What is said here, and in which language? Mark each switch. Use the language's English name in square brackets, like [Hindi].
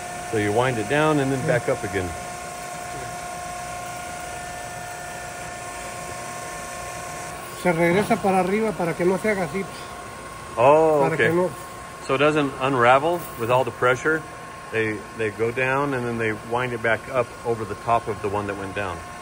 [English] So you wind it down and then back up again. [Spanish] Se regresa para arriba para que no se haga así. Oh, okay. [English] So it doesn't unravel with all the pressure. They go down and then they wind it back up over the top of the one that went down.